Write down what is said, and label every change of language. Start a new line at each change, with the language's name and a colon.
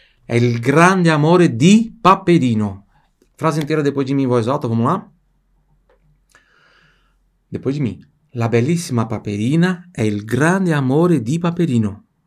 Italian: è il grande amore di Paperino.
Portuguese: Frase intera depois de mim, voz alta, vamos lá? Depois de mim.
Italian: La bellissima Paperina è il grande amore di Paperino.